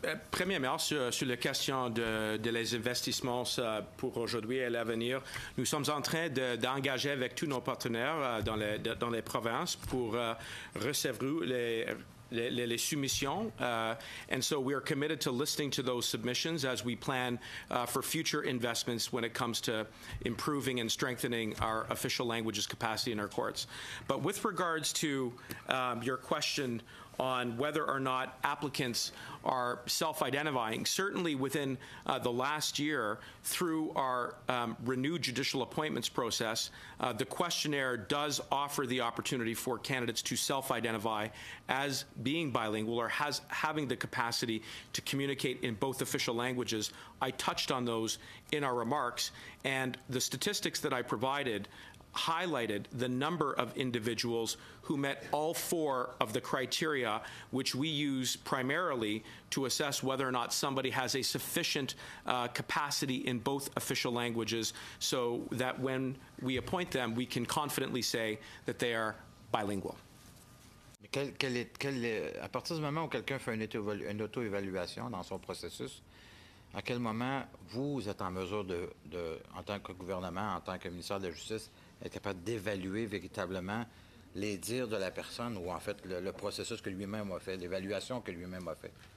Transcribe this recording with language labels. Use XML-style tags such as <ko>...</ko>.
<fr>Premièrement, sur la question de les investissements pour aujourd'hui et l'avenir, nous sommes en train d'engager avec tous nos partenaires dans les provinces pour recevoir les soumissions.</fr> <en>And so we are committed to listening to those submissions as we plan for future investments when it comes to improving and strengthening our official languages capacity in our courts. But with regards to your question on whether or not applicants are self-identifying, certainly within the last year, through our renewed judicial appointments process, the questionnaire does offer the opportunity for candidates to self-identify as being bilingual or having the capacity to communicate in both official languages. I touched on those in our remarks, and the statistics that I provided highlighted the number of individuals who met all four of the criteria which we use primarily to assess whether or not somebody has a sufficient capacity in both official languages so that when we appoint them, we can confidently say that they are bilingual.</en> <fr>Mais à partir du moment où quelqu'un fait une auto-évaluation dans son processus, à quel moment vous êtes en mesure de en tant que gouvernement, en tant que ministère de la Justice, être capable d'évaluer véritablement les dires de la personne ou, en fait, le processus que lui-même a fait, l'évaluation que lui-même a fait?</fr>